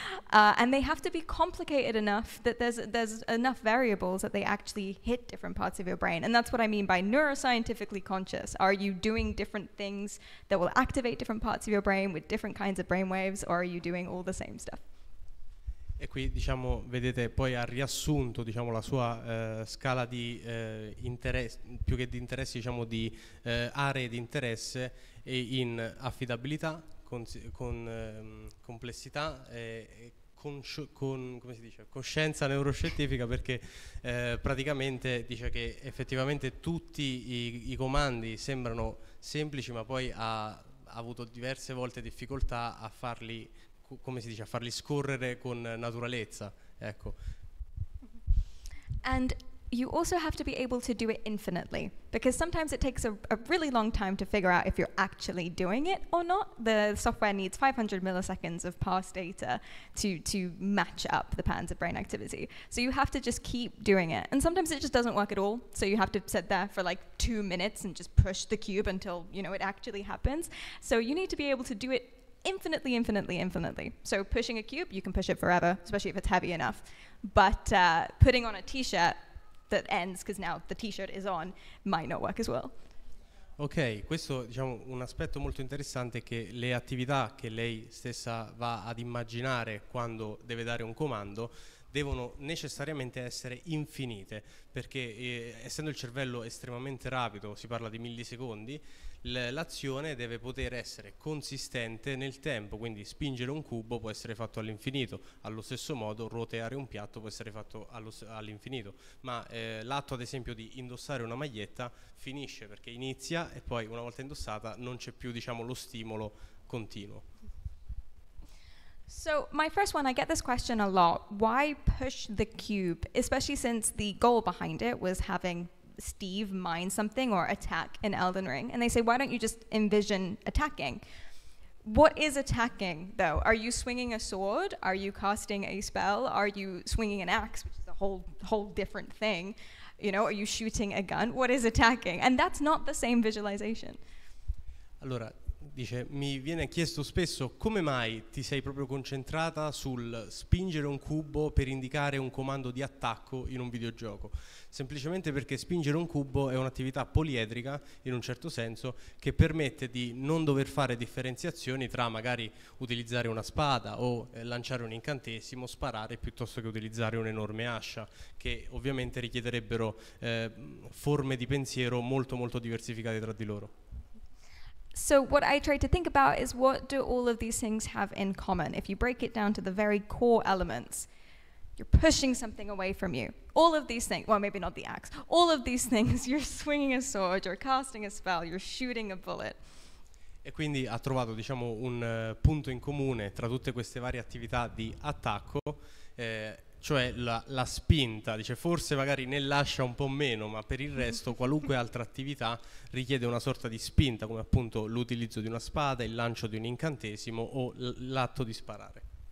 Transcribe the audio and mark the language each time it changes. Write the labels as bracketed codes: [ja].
[en] and they have to be complicated enough that there's enough variables that they actually hit different parts of your brain. And that's what I mean by neuroscientifically conscious. Are you doing different things that will activate different parts of your brain with different kinds of brainwaves, or are you doing all the same stuff? [it] E qui diciamo vedete poi ha riassunto diciamo la sua scala di interessi, più che di interessi diciamo di aree di interesse, e in affidabilità, complessità, come si dice, coscienza neuroscientifica, perché praticamente dice che effettivamente tutti i comandi sembrano semplici, ma poi ha avuto diverse volte difficoltà a farli, come si dice, a farli scorrere con naturalezza, ecco. [en] And you also have to be able to do it infinitely, because sometimes it takes a really long time to figure out if you're actually doing it or not. The software needs 500 milliseconds of past data to match up the patterns of brain activity. So you have to just keep doing it. And sometimes it just doesn't work at all. So you have to sit there for like 2 minutes and just push the cube until, you know, it actually happens. So you need to be able to do it infinitely, infinitely, infinitely. So pushing a cube, you can push it forever, especially if it's heavy enough. But putting on a t-shirt that ends, because now the t-shirt is on, might not work as well. [it] Ok, questo diciamo un aspetto molto interessante è che le attività che lei stessa va ad immaginare quando deve dare un comando devono necessariamente essere infinite, perché essendo il cervello estremamente rapido, si parla di millisecondi, l'azione deve poter essere consistente nel tempo, quindi spingere un cubo può essere fatto all'infinito, allo stesso modo roteare un piatto può essere fatto all'infinito, ma l'atto ad esempio di indossare una maglietta finisce, perché inizia e poi una volta indossata non c'è più, diciamo, lo stimolo continuo. [en] So my first one, I get this question a lot, why push the cube, especially since the goal behind it was having Steve mine something or attack in Elden Ring, and they say, why don't you just envision attacking? What is attacking though? Are you swinging a sword? Are you casting a spell? Are you swinging an axe, which is a whole different thing? You know, are you shooting a gun? What is attacking? And that's not the same visualization. [it] Allora, dice, mi viene chiesto spesso come mai ti sei proprio concentrata sul spingere un cubo per indicare un comando di attacco in un videogioco. Semplicemente perché spingere un cubo è un'attività poliedrica, in un certo senso, che permette di non dover fare differenziazioni tra magari utilizzare una spada o lanciare un incantesimo, sparare piuttosto che utilizzare un'enorme ascia, che ovviamente richiederebbero forme di pensiero molto molto diversificate tra di loro. [en] So what I try to think about is, what do all of these things have in common? If you break it down to the very core elements, you're pushing something away from you. All of these things, well, maybe not the axe, all of these things, you're swinging a sword, you're casting a spell, you're shooting a bullet. [it] E quindi ha trovato, diciamo, un punto in comune tra tutte queste varie attività di attacco, cioè la spinta, dice, forse magari nell'ascia un po' meno, ma per il resto qualunque altra attività richiede una sorta di spinta, come appunto l'utilizzo di una spada, il lancio di un incantesimo o l'atto di sparare.